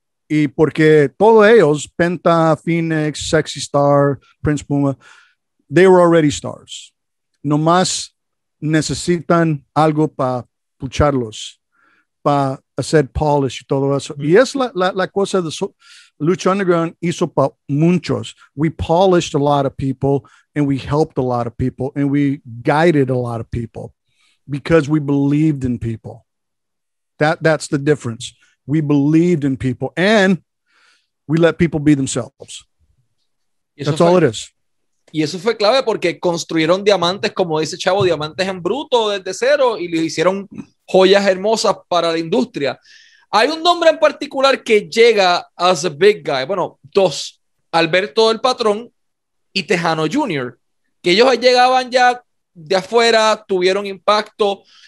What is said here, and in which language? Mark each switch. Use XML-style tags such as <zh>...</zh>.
<es>Y porque todos ellos, Penta, Phoenix, Sexy Star, Prince Puma,</es> <en>they were already stars.</en> <es>Nomás necesitan algo para pucharlos, para hacer polish y todo eso. Mm-hmm. Y es la cosa de Lucha Underground hizo para muchos.</es> <en>We polished a lot of people and we helped a lot of people and we guided a lot of people because we believed in people. That's the difference. We believed in people and we let people be themselves. That's all it is.</en> <es>Y eso fue clave porque construyeron diamantes, como dice Chavo, diamantes en bruto desde cero y le hicieron joyas hermosas para la industria. Hay un nombre en particular que llega</es> <en>as a big guy.</en> <es>Bueno, dos. Alberto el Patrón y Tejano Jr. Que ellos llegaban ya de afuera, tuvieron impacto.</es>